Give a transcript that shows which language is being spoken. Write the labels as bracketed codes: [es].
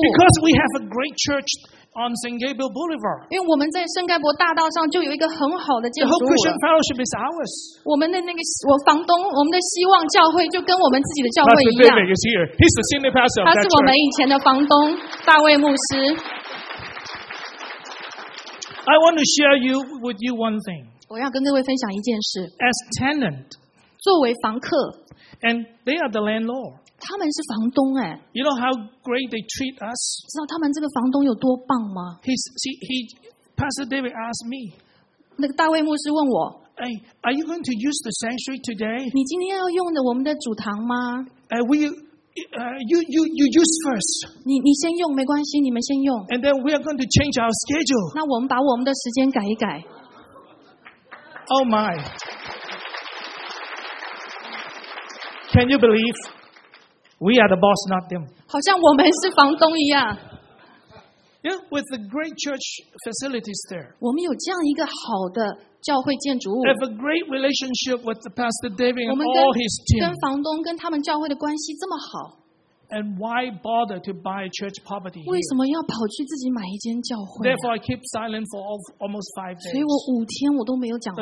[en] Because we have a great church. On Saint Gabriel Boulevard, [zh] 因为我们在圣盖博大道上就有一个很好的建筑物。 [en] The whole Christian fellowship is ours. [zh] 我们的那个我房东，我们的希望教会就跟我们自己的教会一样。 [en] Pastor David is here. He's the senior pastor of that church. [zh] 他是我们以前的房东，大卫牧师。 [en] I want to share you with you one thing. [zh] 我要跟各位分享一件事。 [en] As tenant, [zh] 作为房客。 [en] And they are the landlord. [zh] 他们是房东哎。 [en] You know how great they treat us. [zh] 知道他们这个房东有多棒吗 [en] Pastor David asked me. [zh] 那个大卫牧师问我。 [en] Hey, are you going to use the sanctuary today? [zh] 你今天要用的我们的主堂吗 [en] you use first. [zh] 你先用没关系，你们先用。 [en] And then we are going to change our schedule. [zh] 那我们把我们的时间改一改。 [en] Oh my! Can you believe? We are the boss, not them. [zh] 好像我们是房东一样。 [en] Yeah, with the great church facilities there. [zh] 我们有这样一个好的教会建筑物。 [en] Have a great relationship with the Pastor David and all his team. [zh] 跟房东跟他们教会的关系这么好。 [en] And why bother to buy church property? [zh] 为什么要跑去自己买一间教会 [en] ？Therefore, I keep silent for almost 5 days. [zh] 所以我五天我都没有讲话。